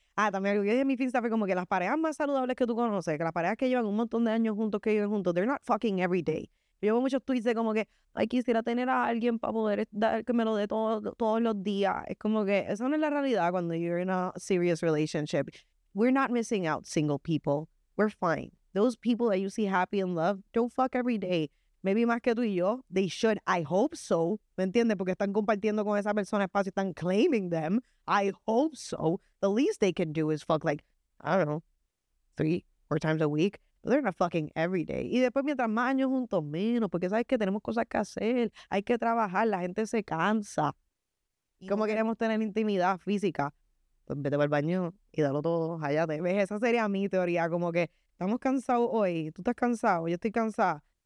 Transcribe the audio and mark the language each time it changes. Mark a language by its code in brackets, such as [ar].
[es] Ah, también algo que dije en mi Finsta fue como que las parejas más saludables que tú conoces, que las parejas que llevan un montón de años juntos, que viven juntos, [en] they're not fucking every day. [es] Yo veo muchos tweets de como que, ay, quisiera tener a alguien para poder dar, que me lo dé todos los días. Es como que, esa no es la realidad cuando [en] you're in a serious relationship. We're not missing out, single people. We're fine. Those people that you see happy and love, don't fuck every day. Maybe [es] más que tú y yo, [en] they should, I hope so, [es] ¿me entiendes? Porque están compartiendo con esa persona espacio, están [en] claiming them, I hope so. The least they can do is fuck, like, I don't know, 3-4 times a week. But they're not fucking every day. [es] Y después, mientras más años juntos, menos, porque sabes que tenemos cosas que hacer, hay que trabajar, la gente se cansa. ¿Y cómo queremos tener intimidad física? Pues vete para el baño y dalo todo, allá te ves. Esa sería mi teoría, como que estamos cansados hoy, tú estás cansado, yo estoy cansada.